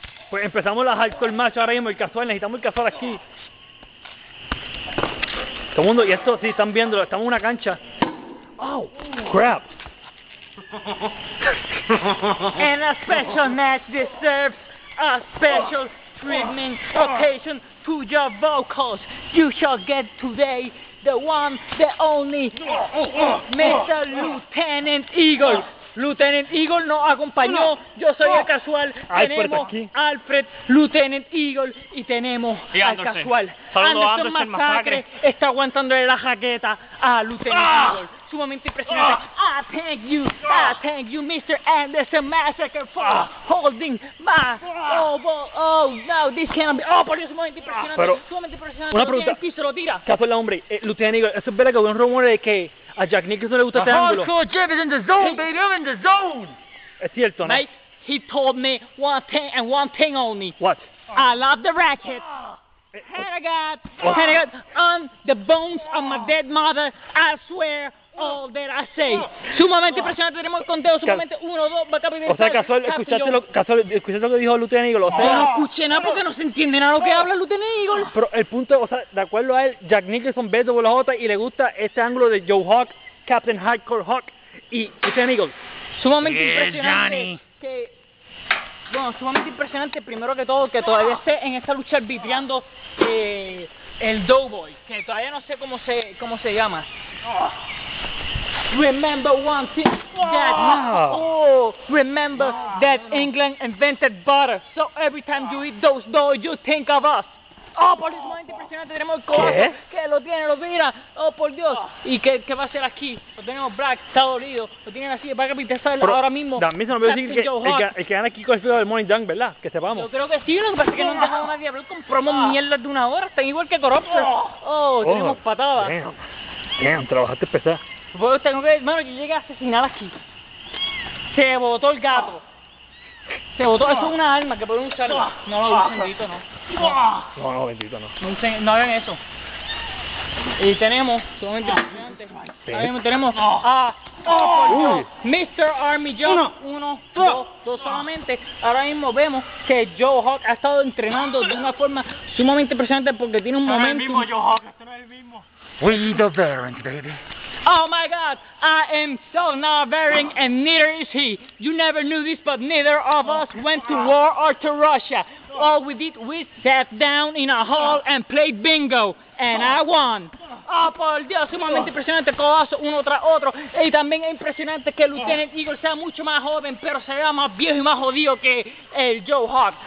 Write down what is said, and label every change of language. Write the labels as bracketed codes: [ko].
[es] Pues empezamos las hardcore match ahora mismo, el casual, necesitamos el casual aquí. Todo mundo, y esto sí, están viéndolo, estamos en una cancha. [en] Oh, crap. And a special match deserves a special treatment occasion to your vocals. You shall get today the one, the only, Mr. Lieutenant Eagle. [es] Lieutenant Eagle nos acompañó, yo soy el casual, tenemos Alfred, Lieutenant Eagle, y tenemos y al casual. Saludo Anderson, Anderson Masacre está aguantándole la jaqueta a Lieutenant Eagle, sumamente impresionante. [en] I thank you, Mr. Anderson Masacre, for holding my elbow. This cannot be, [es] por Dios, sumamente impresionante, pero, sumamente impresionante. Una pregunta, el piso lo tira. Casual, hombre, Lieutenant Eagle, eso es verdad que hubo un rumor de que a Jack Nicholson no le gusta este ángulo. [en] The hardcore Jeff is in the zone, baby, I'm in the zone. [es] Es cierto, ¿no? [en] Mate, he told me one thing and one thing only. What? I love the racket. Hand of God. On the bones of my dead mother, I swear all that I say. [es] Sumamente impresionante, tenemos el conteo, sumamente uno, dos, bacá, primero. O sea, casual, escuchaste lo que dijo Lieutenant Eagle, o sea. No escuché nada porque no se entiende nada lo que habla Lieutenant Eagle. Pero el punto, o sea, de acuerdo a él, Jack Nicholson ve WJ y le gusta este ángulo de Joe Hawk, Captain Hardcore Hawk y Lieutenant Eagle. Sumamente impresionante. Bueno, sumamente impresionante, primero que todo, que todavía esté en esta lucha arbitrando el Doughboy, que todavía no sé cómo se llama. Remember one thing, that England invented butter, so every time you eat those doughs, you think of us. Oh, por Dios, sumamente impresionante, tenemos el coso, que lo tiene, lo mira, oh por Dios. ¿Y qué va a hacer aquí? Lo tenemos Black, está dolido, lo tienen así, va a capitar ahora mismo. También se nos puede decir que gana aquí con el feudo del Money Junk, ¿verdad? Que sepamos. Yo creo que sí, lo que pasa es que no han dejado a nadie hablar con promos mierdas de una hora, están igual que corruptos. Tenemos patadas. Damn, trabajaste pesado. Bueno, tengo que, mano, yo llegué a asesinar aquí. Se botó el gato. Se botó, eso es una arma que pueden usar. No lo usen, bendito no. No, bendito no. No hagan eso. Y tenemos, sumamente impresionante. Tenemos Mr. Army Joe. Uno, dos solamente. Ahora mismo vemos que Joe Hawk ha estado entrenando de una forma sumamente impresionante porque tiene un momento. No es el mismo Joe Hawk, este no es el mismo. [en] We the veterans, baby. Oh my God, I am so not veteran and neither is he. You never knew this, but neither of us went to war or to Russia. All we did, we sat down in a hall and played bingo, and I won. [es] Ah, oh, por Dios, sumamente impresionante el codazo uno tras otro. Y también es impresionante que el Lieutenant Eagle sea mucho más joven, pero se vea más viejo y más jodido que el Joe Hawk.